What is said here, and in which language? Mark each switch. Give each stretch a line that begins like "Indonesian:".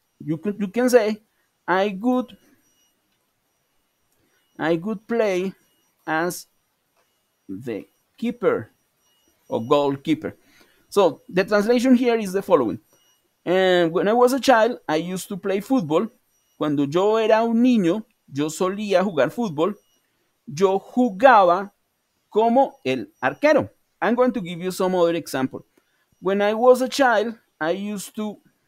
English: You can say, I could play as the keeper or goalkeeper. So the translation here is the following. When I was a child, I used to play football.
Spanish: Cuando yo era un niño, yo solía jugar fútbol. Yo jugaba como el arquero.
English: I'm going to give you some other example. When I was a child, I used to.